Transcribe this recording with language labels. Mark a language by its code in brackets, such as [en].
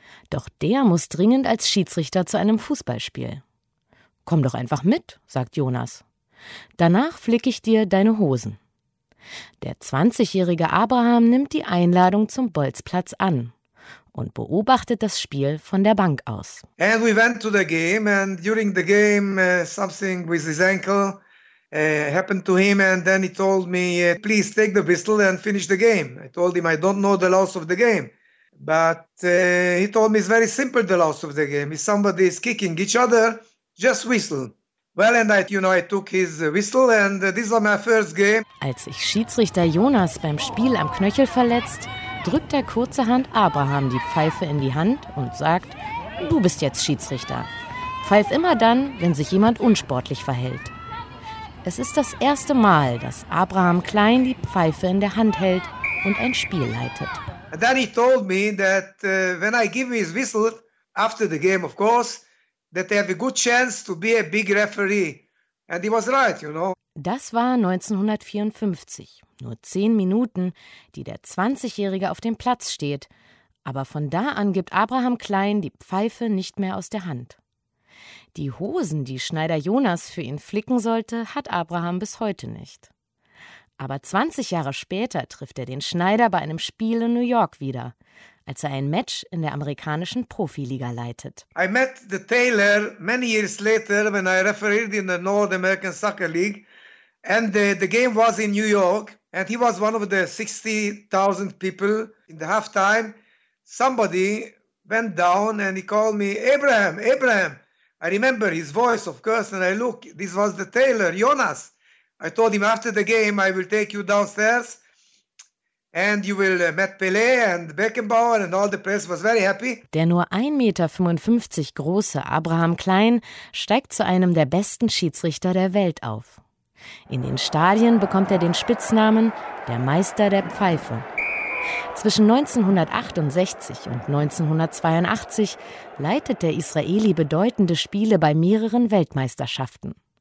[de] Doch der muss dringend als Schiedsrichter zu einem Fußballspiel. Komm doch einfach mit, sagt Jonas. Danach flicke ich dir deine Hosen. Der 20-jährige Abraham nimmt die Einladung zum Bolzplatz an und beobachtet das Spiel von der Bank aus. [en] And we went to the game and during the game something with his ankle happened to him and then he told me please take the pistol and finish the game. I told him I don't know the laws of the game. But he told me it's very simple the laws of the game. If somebody is kicking each other, just whistle. Well and I took his whistle and this was my first game. [de] Als sich Schiedsrichter Jonas beim Spiel am Knöchel verletzt, drückt er kurzerhand Abraham die Pfeife in die Hand und sagt, du bist jetzt Schiedsrichter. Pfeif immer dann, wenn sich jemand unsportlich verhält. Es ist das erste Mal, dass Abraham Klein die Pfeife in der Hand hält und ein Spiel leitet. [en] And then he told me that when I give his whistle after the game, of course, that they have a good chance to be a big referee. And he was right, you know. [de] Das war 1954. Nur 10 Minuten, die der 20-Jährige auf dem Platz steht. Aber von da an gibt Abraham Klein die Pfeife nicht mehr aus der Hand. Die Hosen, die Schneider Jonas für ihn flicken sollte, hat Abraham bis heute nicht. Aber 20 Jahre später trifft er den Schneider bei einem Spiel in New York wieder, als er ein Match in der amerikanischen Profiliga leitet. [en] I met the Taylor many years later when I refereed in the North American Soccer League and the game was in New York and he was one of the 60,000 people in the halftime. Somebody went down and he called me, Abraham, Abraham. I remember his voice, of course, and I look, this was the tailor, Jonas. I told him after the game, I will take you downstairs and you will meet Pelé and Beckenbauer and all the press was very happy. [de] Der nur 1,55 Meter große Abraham Klein steigt zu einem der besten Schiedsrichter der Welt auf. In den Stadien bekommt er den Spitznamen der Meister der Pfeife. Zwischen 1968 und 1982 leitet der Israeli bedeutende Spiele bei mehreren Weltmeisterschaften.